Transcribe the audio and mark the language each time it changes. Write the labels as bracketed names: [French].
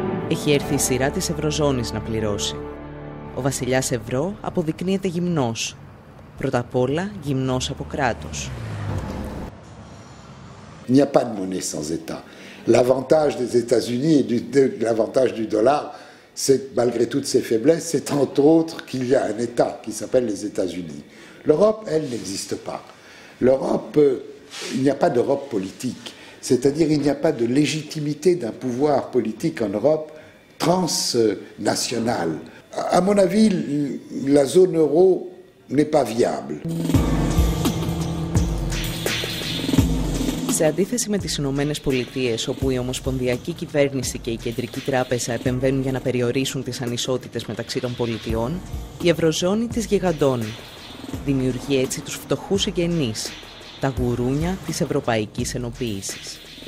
[Greek] Έχει έρθει η σειρά της Ευρωζώνης να πληρώσει. Ο βασιλιάς Ευρώ αποδεικνύεται γυμνός. Πρώτα απ' όλα γυμνός από κράτος. [French] Il n'y a pas de monnaie sans état. L'avantage des États-Unis et l'avantage du dollar, c'est malgré toutes ses faiblesses, c'est entre autres qu'il y a un État qui s'appelle les États-Unis. L'Europe, elle, n'existe pas. L'Europe, il n'y a pas d'Europe politique. C'est-à-dire il n'y a pas de légitimité d'un pouvoir politique en Europe transnational. À mon avis, la zone euro n'est pas viable. [Greek] Σε αντίθεση με τις Ηνωμένες Πολιτείες, όπου η Ομοσπονδιακή Κυβέρνηση και η Κεντρική Τράπεζα επεμβαίνουν για να περιορίσουν τις ανισότητες μεταξύ των πολιτιών, η Ευρωζώνη τις γιγαντώνει. Δημιουργεί έτσι τους φτωχούς εγγενείς, τα γουρούνια της ευρωπαϊκής ενοποίησης.